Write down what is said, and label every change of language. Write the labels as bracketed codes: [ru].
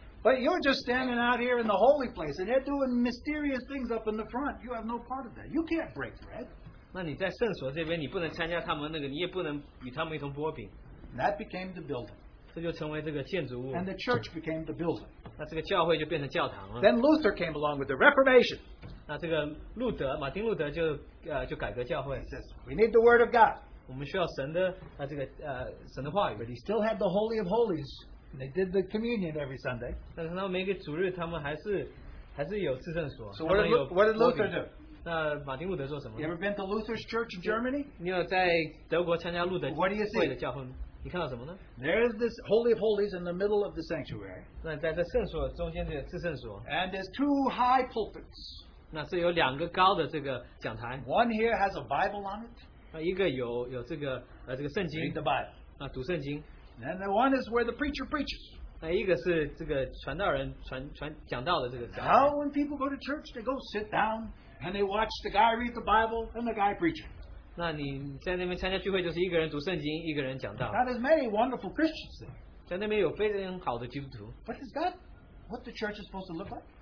[en] But you're just standing out here in the holy place, and they're doing mysterious things up in the front. You have no part of that. You can't break bread. [zh] 那你在圣所这边，你不能参加他们那个，你也不能与他们一同擘饼。 [en] That became the building. And the church became the building. Then Luther came along with the Reformation. He says, we need the Word of God. But he still had the Holy of Holies. They did the communion every Sunday. So what did Luther do? [zh] 那马丁路德做什么? [en] You ever been to Luther's church in Germany? [zh] 你有在德国参加路德会的教会吗? [en] There's this Holy of Holies in the middle of the sanctuary. [zh] 那在这圣所中间的至圣所, [en] and there's two high pulpits. [zh] 那是有两个高的这个讲台, [en] one here has a Bible on it. [zh] 那一个有这个圣经, [en] read the Bible. [zh] 那读圣经, [en] and the one is where the preacher preaches. [zh] 那一个是这个传道人讲道的这个讲台。 [en] Now when people go to church, they go sit down and they watch the guy read the Bible and the guy preach it. [zh] 那你在那边参加聚会就是一个人读圣经，一个人讲道。 [en] Now there's many wonderful Christians there. [zh] 在那边有非常好的基督徒。 [en] But is that what the church is supposed to look like?